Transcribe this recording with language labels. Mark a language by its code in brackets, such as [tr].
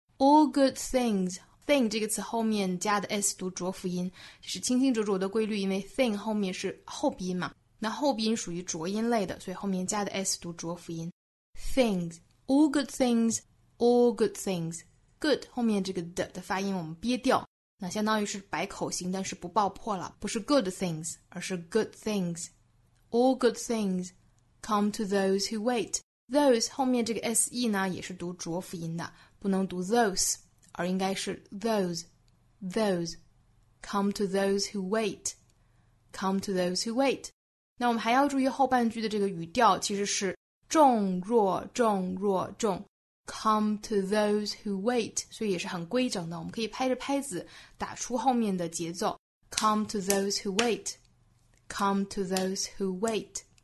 [en] All good things， [zh] thing 这个词后面加的 s 读浊辅音，就是清清浊浊的规律，因为 thing 后面是后鼻音嘛，那后鼻音属于浊音类的，所以后面加的 s 读浊辅音 [en] thingsAll good things, all good things. [zh] Good 后面这个 d 的发音我们憋掉，那相当于是白口型，但是不爆破了，不是 [en] good things， [zh] 而是 good things. [en] All good things come to those who wait. [zh] Those 后面这个 se 呢也是读浊辅音的，不能读 those， 而应该是 those. [en] Those come to those who wait. Come to those who wait. [zh] 那我们还要注意后半句的这个语调，其实是重若重若重 [en] come to those who wait， [zh] 所以也是很规整的，我们可以拍着拍子打出后面的节奏 come to those who wait， come to those who wait。